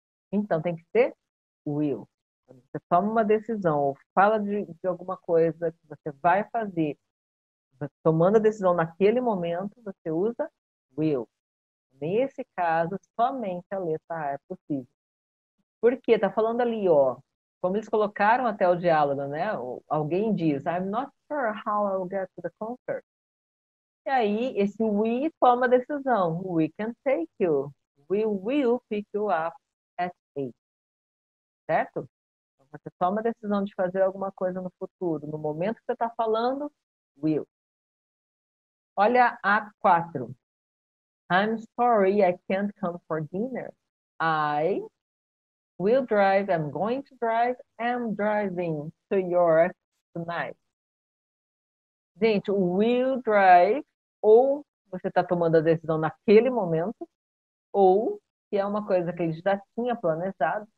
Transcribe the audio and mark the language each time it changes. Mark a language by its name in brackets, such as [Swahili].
[Portuguese] Então, tem que ser will. Quando você toma uma decisão ou fala de alguma coisa que você vai fazer, tomando a decisão naquele momento, você usa will. Nesse caso, somente a letra A é possível. Por quê? Tá falando ali, ó. Como eles colocaram até o diálogo, né? Alguém diz, [English] I'm not sure how I will get to the concert. [Portuguese] E aí, esse we toma a decisão. [English] We can take you. We will pick you up at 8. Certo? [Portuguese] Você toma a decisão de fazer alguma coisa no futuro. No momento que você está falando, will. Olha a 4. [English] I'm sorry, I can't come for dinner. I will drive, I'm going to drive, I'm driving to York tonight. [Portuguese] Gente, will drive, ou você está tomando a decisão naquele momento, ou. Que é uma coisa que ele já tinha planejado.